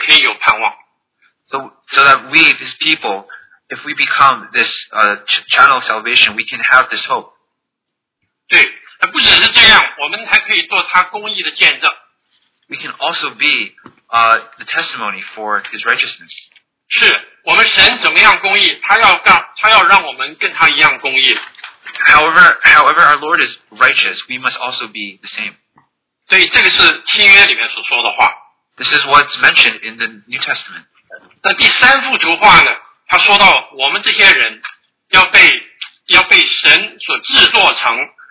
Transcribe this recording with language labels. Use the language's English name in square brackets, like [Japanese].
[Chinese] 对，就是让我们这些人，他的百姓，对于公义，我们可以有盼望；对于成为他救恩的管道，我们可以有盼望。 [English] So that we, his people, if we become this channel of salvation, we can have this hope. [Chinese] 对。不只是这样，我们还可以做他公义的见证。 [English] We can also be the testimony for his righteousness. [Chinese] 是我们神怎么样公义，他要让我们跟他一样公义。 [English] However, our Lord is righteous, we must also be the same. [Chinese] 对，这个是新约里面所说的话。 [English] This is what's mentioned in the New Testament. [Chinese] 那第三幅图画呢？他说到我们这些人要被神所制作成。